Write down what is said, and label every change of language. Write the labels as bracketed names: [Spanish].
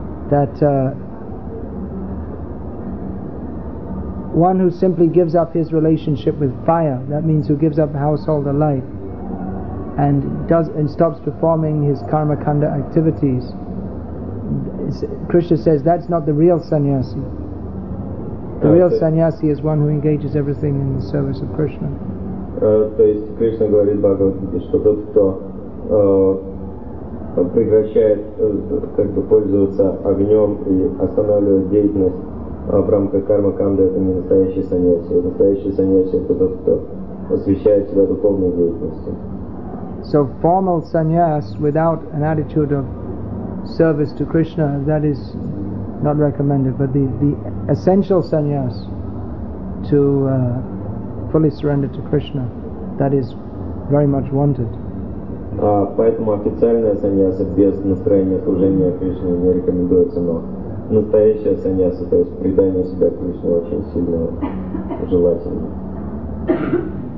[English] That one who simply gives up his relationship with fire, that means who gives up household life and does and stops performing his karma kanda activities, Krishna says that's not the real sannyasi. The real sannyasi is one who engages everything in the service of Krishna. [Russian] То есть Кришна говорит Бхагавад, что тот, кто прекращает как бы пользоваться огнем и останавливает деятельность в рамках кармы канды, это не настоящий сannyasi. Настоящий сannyasi это тот, кто посвящает себя духовной деятельности. [English] So formal sannyas without an attitude of service to Krishna, that is not recommended. But the essential sannyas to fully surrender to Krishna, that is very much wanted. [Russian] Поэтому официальная саньяса без настроения служения Кришне не рекомендуется, но настоящая саньяса, то есть предание себя Кришне, очень сильно желательно.